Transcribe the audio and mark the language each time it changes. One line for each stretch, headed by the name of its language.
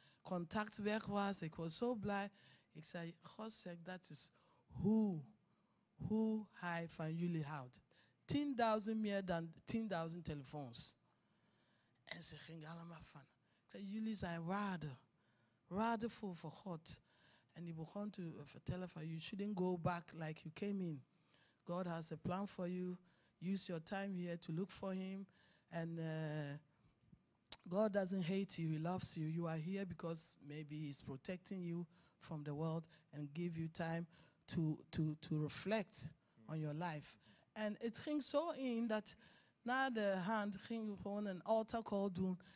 Dutch: contact weg was. Ik was zo blij. Ik zei, God zegt, dat is hoe hij van jullie houdt. 10.000 meer dan 10.000 telefoons. En ze gingen allemaal van. Ik zei, jullie zijn waarde. Waardevol voor God. En die begon te vertellen van,
English: you shouldn't go back like you came in. God has a plan for you. Use your time here to look for him. And God doesn't hate you. He loves you. You are here because maybe he's protecting you from the world and give you time to reflect on your life.
Dutch: En het ging zo in dat na de hand ging we gewoon een altar call doen.